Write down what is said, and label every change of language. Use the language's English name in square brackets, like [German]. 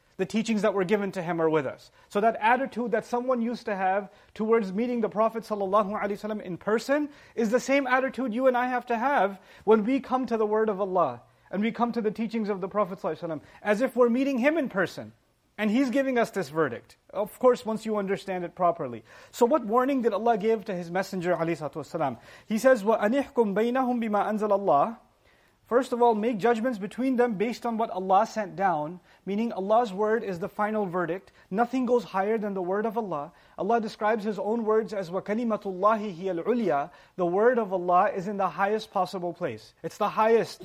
[English] The teachings that were given to him are with us. So that attitude that someone used to have towards meeting the Prophet ﷺ in person is the same attitude you and I have to have when we come to the word of Allah and we come to the teachings of the Prophet ﷺ as if we're meeting him in person and he's giving us this verdict. Of course, once you understand it properly. So what warning did Allah give to His Messenger ﷺ? He says, [Arabic] وَأَنِحْكُمْ بَيْنَهُمْ بِمَا أَنزَلَ اللَّهِ. [English] First of all, make judgments between them based on what Allah sent down, meaning Allah's word is the final verdict. Nothing goes higher than the word of Allah. Allah describes His own words as [Arabic] وَكَلِمَةُ اللَّهِ هِيَ الْعُلْيَا. [English] The word of Allah is in the highest possible place. It's the highest.